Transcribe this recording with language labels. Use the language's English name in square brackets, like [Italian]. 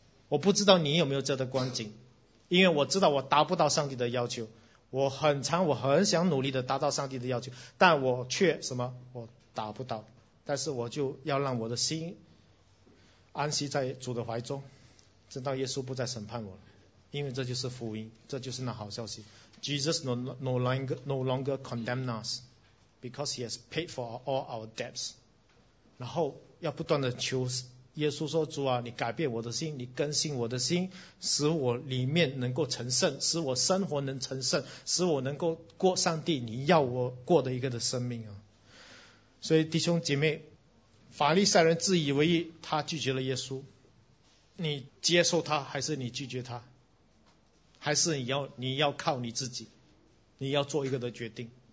[Chinese] 我不知道你有没有这样的光景，因为我知道我达不到上帝的要求。我很想努力的达到上帝的要求，但我却什么，我达不到。但是我就要让我的心安息在主的怀中，直到耶稣不再审判我了。因为这就是福音，这就是那好消息。 [English] Jesus no longer condemn us because he has paid for all our debts. [Chinese] 然后要不断的求耶稣说，主啊，你改变我的心，你更新我的心，使我里面能够成圣，使我生活能成圣，使我能够过上帝你要我过的一个的生命啊。所以弟兄姐妹，法利赛人自以为意，他拒绝了耶稣，你接受他还是你拒绝他，还是你要靠你自己，你要做一个的决定。